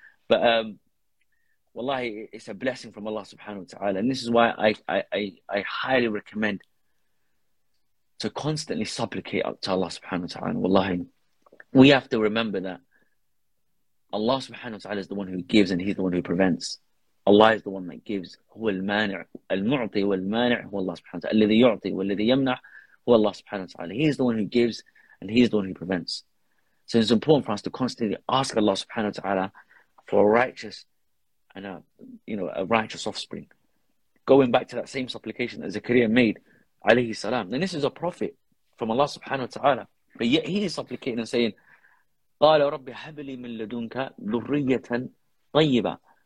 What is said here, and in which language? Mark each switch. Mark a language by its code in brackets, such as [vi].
[en] But, wallahi, it's a blessing from Allah subhanahu wa ta'ala. And this is why I highly recommend to constantly supplicate to Allah subhanahu wa ta'ala. Wallahi, we have to remember that Allah subhanahu wa ta'ala is the one who gives and He's the one who prevents. Allah is the one that gives. [ar] هو المانع المعطي والمانع هو الله سبحانه وتعالى الذي يعطي والذي يمنع هو الله سبحانه وتعالى. [en] He is the one who gives and He is the one who prevents. So it's important for us to constantly ask Allah subhanahu wa ta'ala for a righteous and a righteous offspring. Going back to that same supplication that Zakaria made, alayhi salam. And this is a prophet from Allah subhanahu wa ta'ala. But yet he is supplicating and saying, [ar] قَالَ رَبِّ حَبْلِي مِنْ لَدُنْكَ ذُرِّيَّةً طَيِّبًا.